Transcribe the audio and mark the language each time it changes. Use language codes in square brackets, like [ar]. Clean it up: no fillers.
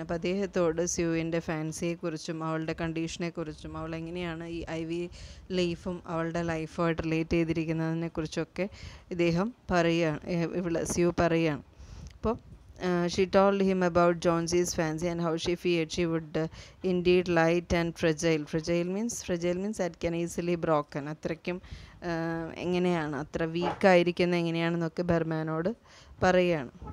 [ml] അപ്പോൾ അദ്ദേഹത്തോട് സ്യുവിൻ്റെ ഫാൻസിയെക്കുറിച്ചും അവളുടെ കണ്ടീഷനെക്കുറിച്ചും അവൾ എങ്ങനെയാണ് ഈ ഐ വി ലൈഫും അവളുടെ ലൈഫുമായിട്ട് റിലേറ്റ് ചെയ്തിരിക്കുന്നതിനെ കുറിച്ചൊക്കെ ഇദ്ദേഹം പറയുകയാണ്, ഇവിടെ സ്യു പറയുകയാണ്. [en] അപ്പോൾ she told him about Jonesy's fancy and how she feared she would indeed light and fragile. Fragile means that can easily broken. [ml] അത്രയ്ക്കും എങ്ങനെയാണ്, അത്ര വീക്കായിരിക്കുന്ന എങ്ങനെയാണെന്നൊക്കെ ബർമാനോട് പറയുകയാണ്.